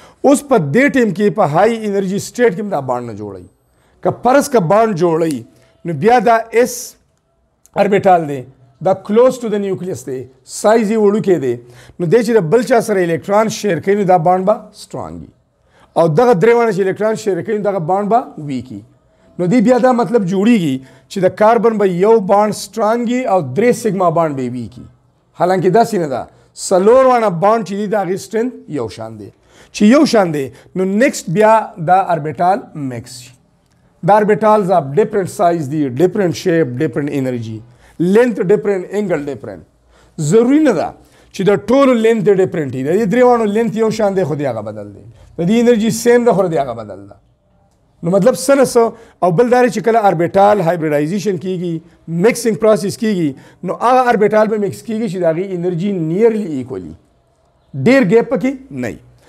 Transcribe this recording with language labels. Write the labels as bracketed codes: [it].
[ps] اوس په دې ټیم کې په های انرجی سټیټ کې دا بانډ نه جوړی ک پرس ک بانډ جوړی نو بیا دا اس اربیټال دی دا [en] close to the nucleus [ps] دی سایز یې وړوکی دی نو دې چې د بل چا سره الکترون شیر کوي نو دا بانډ به سترانګ وي او دغه درې واړه چې الکترون شیر کوي نو دغه بانډ به ویک وي. نو دې بیا دا مطلب جوړیږي چې د کاربن به یو بانډ سترانګ وي او درې سیګما بانډ به ویک وي. حالانکه داسې نه ده څلور واړه بانډ چې دي دا غیستن یو شان دی چې یو شان دی نو نیکسټ بیا دا اربیټال میکس شي. [en] The orbitals of different size, the different shape, different energy, length different, angle different. [ps] ضروری نه ده چې د ټولو لینث ډیفرنټ وي. د دې درېواړو لینث یو شان دی خو دی هغه بدل دی د دې انرژي سیم ده خو دی هغه بدل ده. نو مطلب څه نه څه او بل داری چې کله اربیټال هایبریډایزیشن کیږي مکسنګ پروسیس کیږي نو هغه اربیټال به مکس کیږي چې د هغې انرژي [en] nearly equally [ps] ډیر ګیپ پکې نه وي.